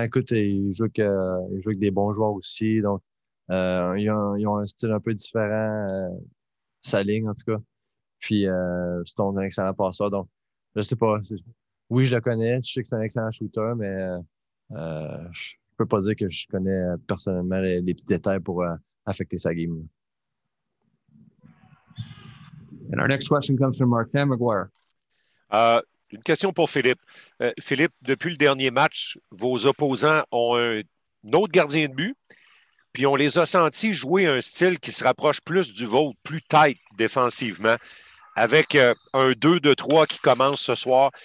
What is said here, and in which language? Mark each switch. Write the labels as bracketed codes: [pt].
[fr] Écoute, il joue avec des bons joueurs aussi, donc ils ont un style un peu différent, sa ligne en tout cas. Puis Stone est un excellent passeur. Donc, je sais pas. Oui, je le connais. Je sais que c'est un excellent shooter, mais je peux pas dire que je connais personnellement les petits détails pour affecter sa game. [en] And our next question comes from Martin McGuire. [fr] Une question pour Philippe. Philippe, depuis le dernier match, vos opposants ont un autre gardien de but, puis on les a sentis jouer un style qui se rapproche plus du vôtre, plus tight défensivement, avec un 2-2-3 qui commence ce soir.